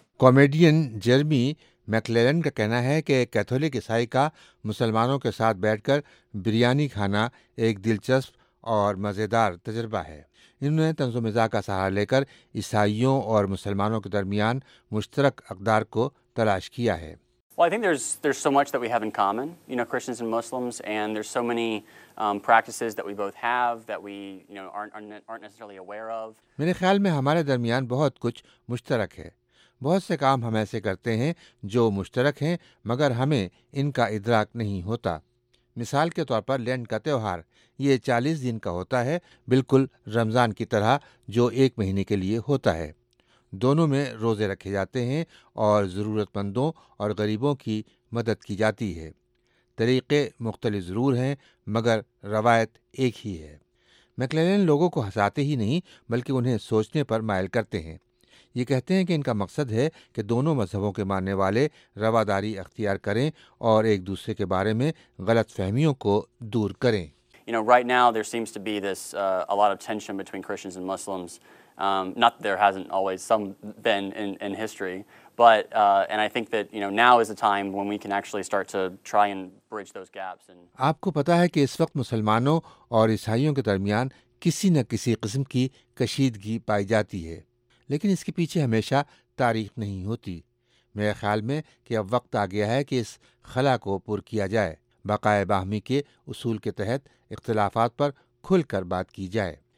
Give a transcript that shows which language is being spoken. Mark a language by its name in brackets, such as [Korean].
[Urdu] Comedian Jeremy میکلیلن کا کہنا ہے کہ کیتھولک عیسائی کا مسلمانوں کے ساتھ بیٹھ کر بریانی کھانا ایک دلچسپ اور مزیدار تجربہ ہے. انہوں نے طنز و مزاح کا سہارا لے کر عیسائیوں اور مسلمانوں کے درمیان مشترک اقدار کو تلاش کیا ہے. [English] Well, I think there's so much that we have in common, you know, Christians and Muslims, and there's so many practices that we both have that we, you know, aren't necessarily aware of. [Urdu] میرے خیال میں ہمارے درمیان بہت کچھ مشترک ہے. بہت سے کام ہم ایسے کرتے ہیں جو مشترک ہیں مگر ہمیں ان کا ادراک نہیں ہوتا. مثال کے طور پر لینڈ کا تہوار, یہ 40 دن کا ہوتا ہے, بالکل رمضان کی طرح جو ایک مہینے کے لیے ہوتا ہے. دونوں میں روزے رکھے جاتے ہیں اور ضرورت مندوں اور غریبوں کی مدد کی جاتی ہے. طریقے مختلف ضرور ہیں مگر روایت ایک ہی ہے. میکلیلن لوگوں کو ہنساتے ہی نہیں بلکہ انہیں سوچنے پر مائل کرتے ہیں. یہ کہتے ہیں کہ ان کا مقصد ہے کہ دونوں مذہبوں کے ماننے والے رواداری اختیار کریں اور ایک دوسرے کے بارے میں غلط فہمیوں کو دور کریں. [English] You know, right now there seems to be this a lot of tension between Christians and Muslims. Not that there hasn't always some been in history, but and I think that, you know, now is a time when we can actually start to try and bridge those gaps. And [Urdu] آپ کو پتہ ہے کہ اس وقت مسلمانوں اور عیسائیوں کے درمیان کسی نہ کسی قسم کی کشیدگی پائی جاتی ہے, لیکن اس کے پیچھے ہمیشہ تاریخ نہیں ہوتی. میرے خیال میں کہ اب وقت آ گیا ہے کہ اس خلا کو پر کیا جائے, بقائے باہمی کے اصول کے تحت اختلافات پر کھل کر بات کی جائے.